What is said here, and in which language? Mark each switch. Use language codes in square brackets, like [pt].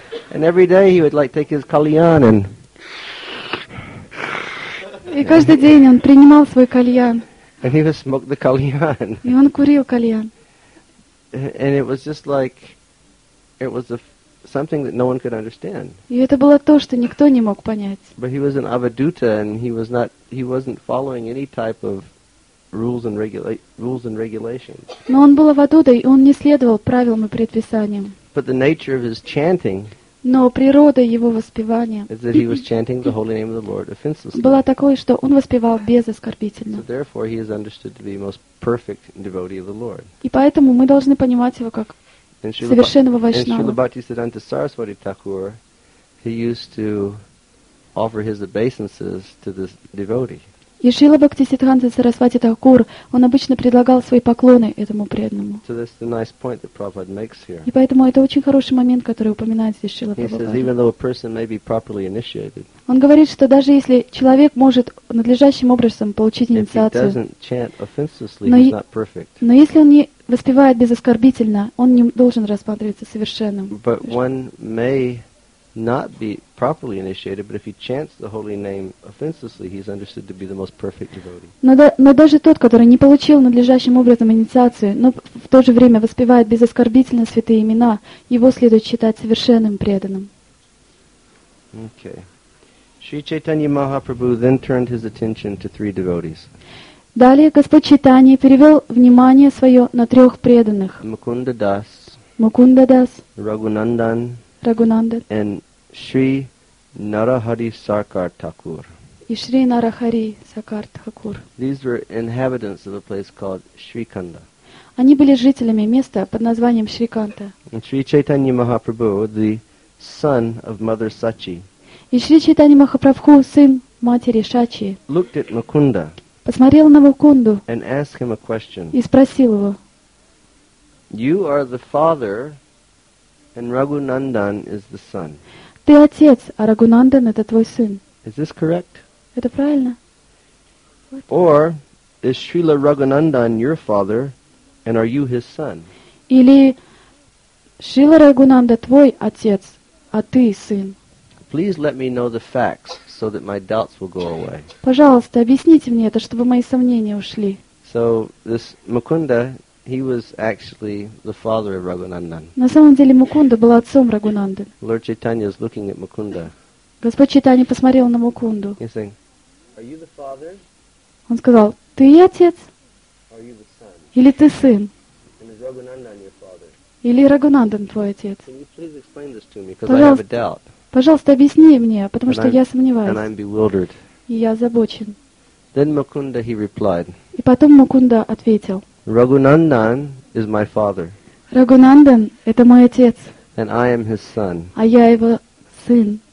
[en] And every day he would like take his kalyan and [ru] и каждый день он принимал свой кальян. [en] And he would smoke the kalyan. [ru] И он курил кальян. [en] And it was just like It was something that no one could understand. [ru] И это было то, что никто не мог понять. [en] But he was an avaduta, and he wasn't following any type of rules and regulations. [ru] Но он был авадутой, и он не следовал правилам и предписаниям. [en] But the nature of his chanting. [ru] Но природа его воспевания [en] is that he was chanting the holy name of the Lord offenselessly. [ru] Была такой, что он воспевал безоскорбительно. [en] So therefore he is understood to be the most perfect devotee of the Lord. [ru] И поэтому мы должны понимать его как совершенного вайшнава. [en] And Srila Bhaktisiddhanta Saraswati Thakur, he used to offer his obeisances to this devotee. [ru] И Шрила Бхактисиддханта Сарасвати Такур, он обычно предлагал свои поклоны этому преданному. [en] So that's the nice point that Prabhupada makes here. [ru] И поэтому это очень хороший момент, который упоминает здесь Шрила Прабхупада. [en] He says, even though a person may be properly initiated, [ru] он говорит, что даже если человек может надлежащим образом получить инициацию, [en] if he doesn't chant offensively, he's not perfect. [ru] Но если он не воспевает безоскорбительно, он не должен рассматриваться совершенным. [en] But one may not be properly initiated, but if he chants the holy name offenselessly, he's understood to be the most perfect devotee. [ru] Но даже тот, который не получил надлежащим образом инициацию, но в то же время воспевает безоскорбительно святые имена, его следует считать совершенным преданным. [en] Okay. Sri Chaitanya Mahaprabhu then turned his attention to three devotees. [ru] Далее Господь Чайтанья перевел внимание свое на трех преданных. Мукунда Дас, Рагунандан, Рагунандан, [en] and Shri Narahari Sarkar Thakur. [ru] И Шри Нарахари Саркар Такур. [en] These were inhabitants of a place called Shrikanda. [ru] Они были жителями места под названием Шриканта. [en] And Shri Chaitanya Mahaprabhu, the son of Mother Sachi. [ru] И Шри Чайтанья Махапрабху, сын матери Сачи. [en] Looked at Мукунда. [ru] Посмотрел на Мукунду. [en] And asked him a question. [ru] И спросил его. [en] You are the father, and Рагунандан is the son. [ru] Ты отец, а Рагунандан это твой сын. [en] Is this correct? [ru] Это правильно? [en] Or is Шрила Рагунандан your father, and are you his son? [ru] Или Шрила Рагунанда твой отец, а ты сын? [en] Please let me know the facts so that my doubts will go away. [ru] Пожалуйста, объясните мне это, чтобы мои сомнения ушли. [en] So this Мукунда, he was actually the father of Рагунандан. [ru] На самом деле Мукунда был отцом Рагунанды. [en] Lord Chaitanya is looking at Мукунда. [ru] Господь Чайтанья посмотрел на Мукунду. [en] He's saying, are you the father? [ru] Он сказал, ты отец? [en] Are you the son? [ru] Или ты сын? [en] And is Рагунандан your father? [ru] Или Рагунандан твой отец? [en] Can you please explain this to me, because I have a doubt. [ru] Пожалуйста, объясни мне, потому что я сомневаюсь. [en] And I'm bewildered. [ru] И я озабочен. [en] Then Mukunda, he replied. [ru] И потом Мукунда ответил. [en] Рагунандан is my father. [ru] Рагунандан это мой отец. [en] And I am his son. [ru] А я его сын.